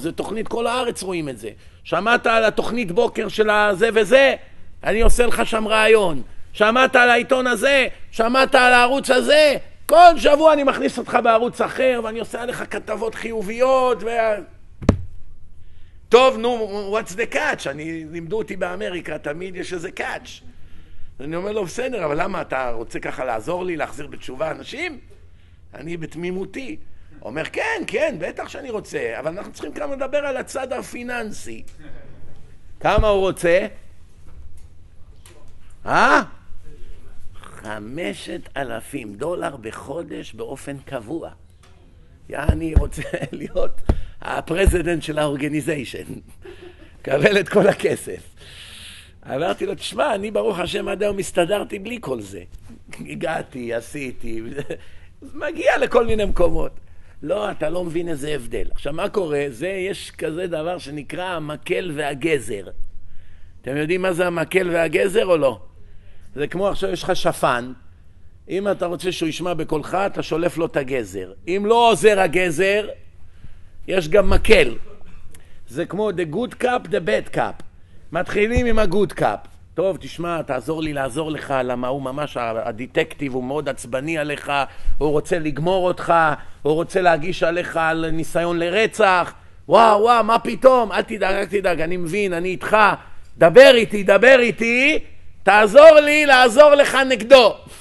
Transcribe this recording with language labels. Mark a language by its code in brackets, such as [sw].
[he] זה תוכנית, כל הארץ רואים את זה. שמעת על התוכנית בוקר של הזה וזה? אני עושה לך שם רעיון. שמעת על העיתון הזה? שמעת על הערוץ הזה? כל שבוע אני מכניס אותך בערוץ אחר, ואני עושה לך כתבות חיוביות, ו... [en] טוב, נו, what's the catch? [he] לימדו אותי באמריקה, תמיד יש איזה catch. אני אומר לו, בסדר, אבל למה אתה רוצה ככה לעזור לי, להחזיר בתשובה אנשים? אני בתמימותי. אומר, כן, כן, בטח שאני רוצה, אבל אנחנו צריכים כאן לדבר על הצד הפיננסי. כמה הוא רוצה? 5,000 דולר בחודש באופן קבוע. אני רוצה להיות הפרזידנט של האורגניזיישן. קבל את כל הכסף. אמרתי לו, תשמע, אני ברוך השם עד היום הסתדרתי בלי כל זה. הגעתי, עשיתי, מגיע לכל מיני מקומות. לא, אתה לא מבין איזה הבדל. עכשיו, מה קורה? זה, יש כזה דבר שנקרא המקל והגזר. אתם יודעים מה זה המקל והגזר או לא? זה כמו עכשיו יש לך שפן. אם אתה רוצה שהוא ישמע בקולך, אתה שולף לו את הגזר. אם לא עוזר הגזר, יש גם מקל. זה כמו [en] the good cup, the bad cup. [he] מתחילים עם הגוד קאפ. טוב, תשמע, תעזור לי לעזור לך, למה הוא ממש, הדיטקטיב הוא מאוד עצבני עליך, הוא רוצה לגמור אותך, הוא רוצה להגיש עליך על ניסיון לרצח. וואו, וואו, מה פתאום? אל תדאג, אל תדאג, אני מבין, אני איתך. דבר איתי, דבר איתי, תעזור לי לעזור לך נגדו.